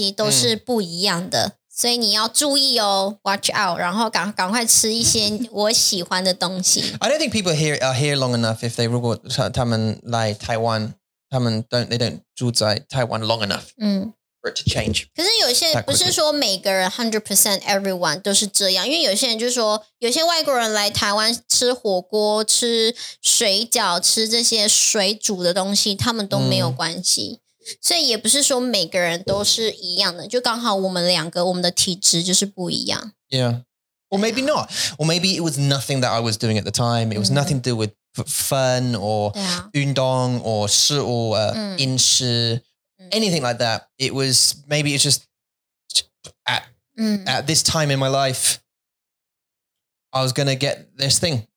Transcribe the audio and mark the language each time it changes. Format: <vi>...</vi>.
<zh>对啊,都有啦,我觉得就是因为你到一个不同的国家,你的身体一定会告诉你,你现在所有放进来的东西都是不一样的,所以你要注意哦,</zh> <en>watch out,</en> <zh>然后赶快吃一些我喜欢的东西。I</zh> <en>don't think people here are here long enough if they,</en> <zh>如果他们来台湾, 他们</zh> <en>don't, they don't</en> <zh>住在台湾</zh> <en>long enough. 嗯。For it to change.</en> <zh>可是有些不是说每个人</zh> <en>100% everyone</en> <zh>都是这样，因为有些人就是说，有些外国人来台湾吃火锅、吃水饺、吃这些水煮的东西，他们都没有关系。所以也不是说每个人都是一样的，就刚好我们两个我们的体质就是不一样。</zh> <en>Yeah. Or maybe not. Or maybe it was nothing that I was doing at the time. It was nothing to do with fun or</en> <zh>运动</zh> <en>or</en> <zh>食物, 饮食。</zh> <en>Anything like that. It was, maybe it's just at this time in my life, I was going to get this thing.</en>